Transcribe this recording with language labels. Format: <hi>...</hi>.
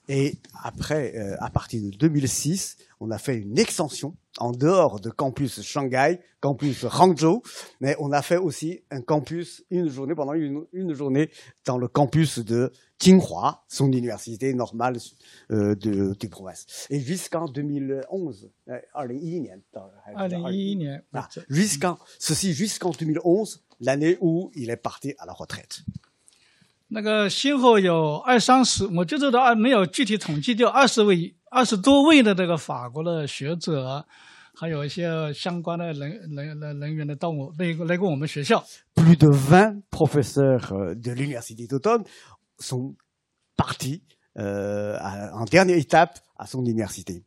<fr>Et après, à partir de 2006, on a fait une extension en dehors de campus Shanghai, campus Hangzhou, mais on a fait aussi un campus, une journée, pendant une journée, dans le campus de Tsinghua, son université normale de province. Et jusqu'en 2011, l'année où il est parti à la retraite.</fr> <zh>那个先后有二三十，我就知道没有具体统计，就二十多位的这个法国的学者，还有一些相关的人员的到我来过我们学校。</zh> <fr>Plus de 20 professeurs de l'université d'automne sont partis en dernière étape à son université.</fr>